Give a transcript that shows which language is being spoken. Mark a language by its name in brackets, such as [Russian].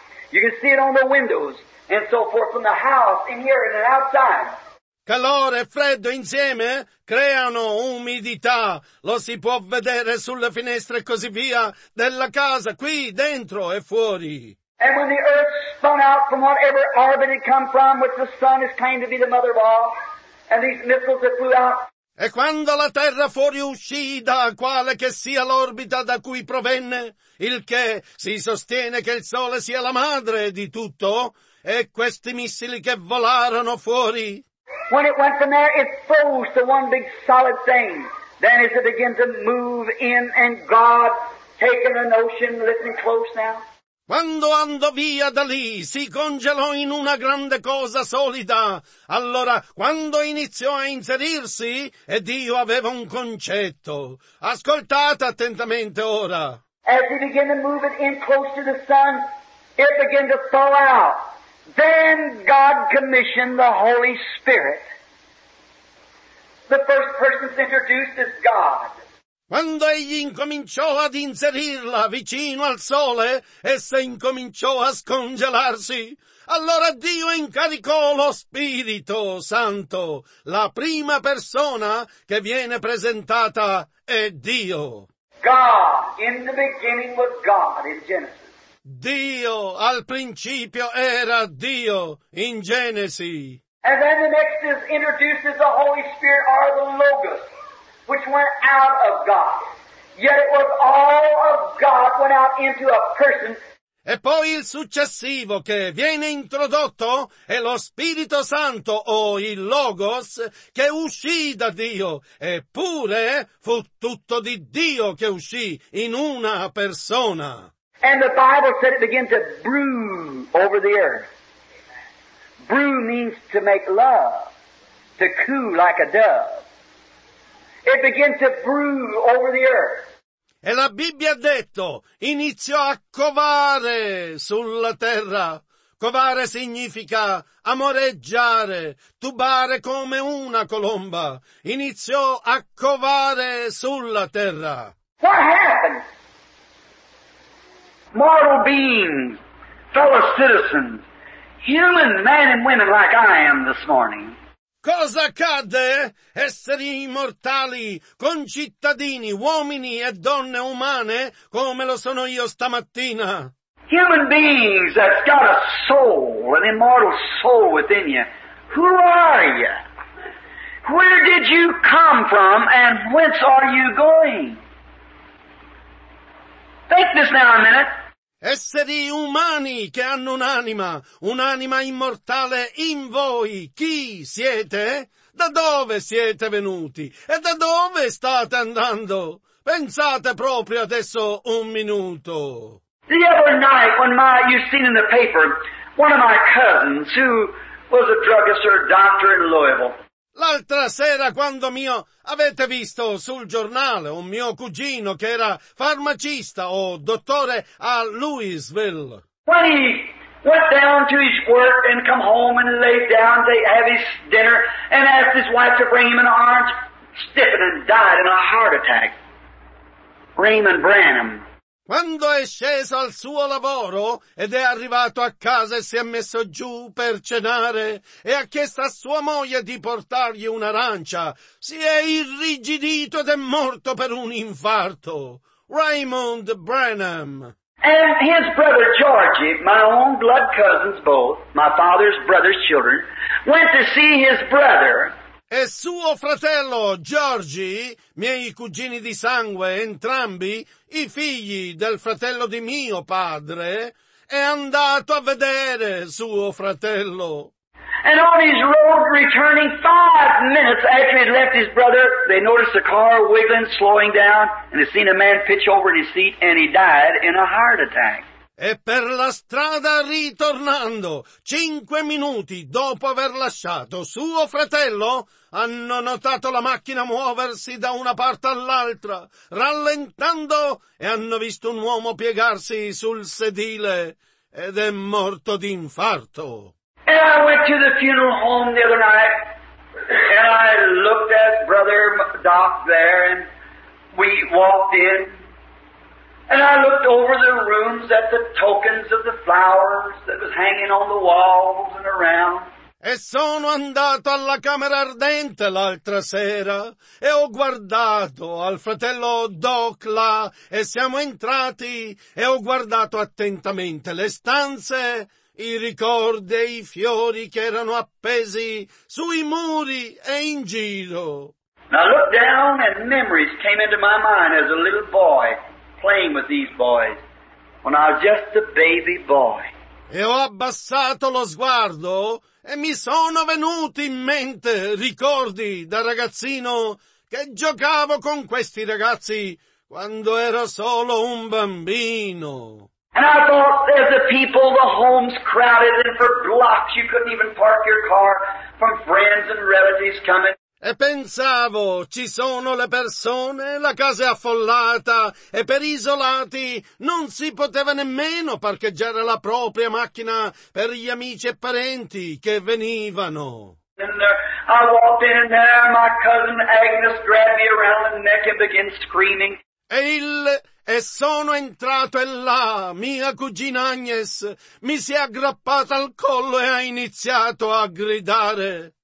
[English] You can see it on the windows and so forth from the house in here and outside. [Italian] Calore e freddo insieme creano umidità. Lo si può vedere sulle finestre e così via della casa, qui dentro e fuori. [English] And when the earth spun out from whatever orbit it come from, which the sun is claimed to be the mother of all, and these missiles that flew out. [Italian] E quando la terra fuori uscì da quale che sia l'orbita da cui provenne, il che si sostiene che il sole sia la madre di tutto, e questi missili che volarono fuori. [English] When it went from there, it froze to one big solid thing. Then as it began to move in and God taking an ocean, listen close now. [Italian] Quando andò via da lì, si congelò in una grande cosa solida. Allora, quando iniziò a inserirsi, e Dio aveva un concetto. Ascoltate attentamente ora. [English] As he began to move it in close to the sun, it began to thaw out. Then God commissioned the Holy Spirit. The first person introduced is God. [Italian] Quando egli incominciò ad inserirla vicino al sole, essa incominciò a scongelarsi. Allora Dio incaricò lo Spirito Santo. La prima persona che viene presentata è Dio. [English] God, in the beginning was God, in Genesis. [Italian] Dio, al principio era Dio, in Genesi. [English] And then the next is introduces the Holy Spirit, or the Logos, which went out of God. Yet it was all of God went out into a person. [Italian] E poi il successivo che viene introdotto è lo Spirito Santo, o il Logos, che uscì da Dio. Eppure fu tutto di Dio che uscì in una persona. [English] And the Bible said it began to brew over the earth. Brew means to make love, to coo like a dove. It began to brew over the earth. [Italian] E la Bibbia ha detto, iniziò a covare sulla terra. Covare significa amoreggiare, tubare come una colomba. Iniziò a covare sulla terra. [English] What happened? Mortal beings, fellow citizens, human men and women like I am this morning. [Italian] Cosa accadde? Esseri immortali, concittadini, uomini e donne umane, come lo sono io stamattina. [English] Human beings that's got a soul, an immortal soul within you. Who are you? Where did you come from and whence are you going? Think this now a minute. [Italian] Esseri umani che hanno un'anima immortale in voi, chi siete? Da dove siete venuti? E da dove state andando? Pensate proprio adesso un minuto. [English] The other night when you've seen in the paper, one of my cousins who was a druggist or a doctor in Louisville. [Italian] L'altra sera quando avete visto sul giornale un mio cugino che era farmacista o dottore a Louisville. [English] When he went down to his work and come home and lay down to have his dinner and asked his wife to bring him an orange, stiffened and died in a heart attack. Raymond Branham. [Italian] Quando è sceso al suo lavoro ed è arrivato a casa e si è messo giù per cenare e ha chiesto a sua moglie di portargli un'arancia, si è irrigidito ed è morto per un infarto. Raymond Branham. [English] And his brother Georgie, my own blood cousins both, my father's brother's children, went to see his brother. [Italian] E suo fratello Georgie, miei cugini di sangue, entrambi i figli del fratello di mio padre, è andato a vedere suo fratello. [English] And on his road returning 5 minutes after he left his brother, they noticed the car wiggling, slowing down, and they seen a man pitch over in his seat and he died in a heart attack. [Italian] E per la strada ritornando, 5 minuti dopo aver lasciato suo fratello, hanno notato la macchina muoversi da una parte all'altra, rallentando, e hanno visto un uomo piegarsi sul sedile, ed è morto di infarto. [English] And I went to the funeral home the other night, and I looked at brother Doc there, and we walked in. And I looked over the rooms at the tokens of the flowers that was hanging on the walls and around. [Italian] E sono andato alla camera ardente l'altra sera e ho guardato al fratello Doc là e siamo entrati e ho guardato attentamente le stanze, i ricordi e i fiori che erano appesi sui muri e in giro. [English] And I looked down and memories came into my mind as a little boy. Playing with these boys when I was just a baby boy. [Italian] E ho abbassato lo sguardo e mi sono venuti in mente ricordi da ragazzino che giocavo con questi ragazzi quando ero solo un bambino. [English] And I thought there's the people, the homes crowded, and for blocks you couldn't even park your car from friends and relatives coming. [Italian] E pensavo, ci sono le persone, la casa è affollata, e per isolati non si poteva nemmeno parcheggiare la propria macchina per gli amici e parenti che venivano. [English] And I walked in and there my cousin Agnes grabbed me around the neck and began screaming. [Italian] E sono entrato e là, mia cugina Agnes mi si è aggrappata al collo e ha iniziato a gridare.